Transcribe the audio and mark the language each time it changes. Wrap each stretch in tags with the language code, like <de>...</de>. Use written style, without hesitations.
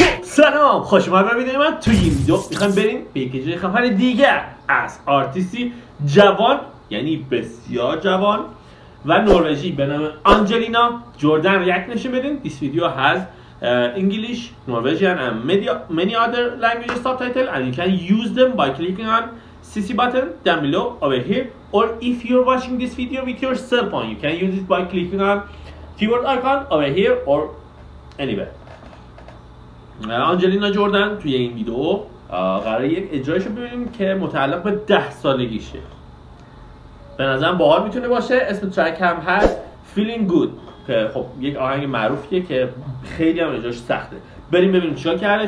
<fa>سلام، خوش اومد ببینید من توی این ویدیو میخوام بریم به یک جای خفن دیگه از آرتیستی جوان، یعنی بسیار جوان و نروژی به نام آنجلینا جوردن ریاکت نشون بدیم. این ویدیو هست انگلیش، نروژیان و</fa> <en>many other languages subtitle and you can use them by clicking on CC button down below over here or if you're watching this video with your cell phone you can use it by clicking on keyboard icon over here or anywhere.</en> <fa>آنجلینا جوردن توی این ویدیو قراره یک اجرایشو ببینیم که متعلق به 10 سالگیشه. به نظرم باحال میتونه باشه. اسم ترک هم هست Feeling Good که خب یک آهنگ معروفیه که خیلی هم اجراش سخته. بریم ببینیم چیکار کرده.</fa>